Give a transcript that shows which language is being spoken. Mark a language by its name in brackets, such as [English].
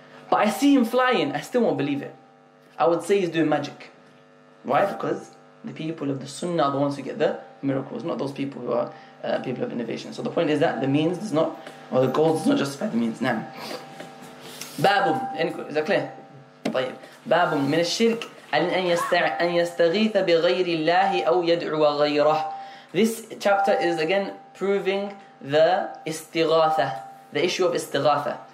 [English] But I see him flying, I still won't believe it. I would say he's doing magic. Why? Because the people of the Sunnah are the ones who get the miracles, not those people who are people of innovation. So the point is that the means does not, or the goal does not justify the means. Now, babum, is that clear? [Arabic] طيب. Babum, من الشرك أن يستغيث بغير الله أو يدعو غيره. [English] This chapter is again proving the istighatha, the issue of istighatha.